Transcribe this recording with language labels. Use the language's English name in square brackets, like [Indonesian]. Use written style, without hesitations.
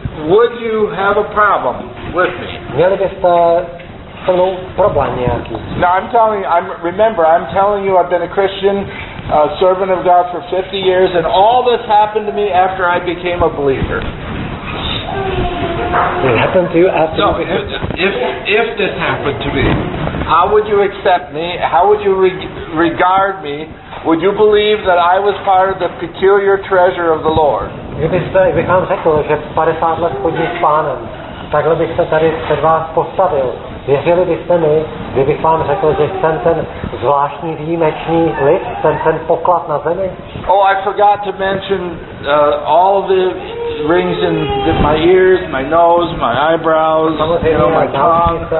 [English] Would you have a problem with me? [Czech] Měli byste se mnou problém nějaký? [English] Now I'm telling you, I'm telling you I've been a Christian, a servant of God for 50 years, and all this happened to me after I became a believer. It happened to you after. No, if this happened to me, how would you accept me? How would you regard me? Would you believe that I was part of the peculiar treasure of the Lord? [Czech] Kdybych vám řekl, že 50 let chodím s Pánem, takhle bych se tady před vás postavil. Věřili byste mi, kdybych vám řekl, že jsem ten zvláštní výjimečný lid, jsem ten poklad na zemi? [English] Oh, I forgot to mention all the rings in my ears, my nose, my eyebrows, you know, my tongue.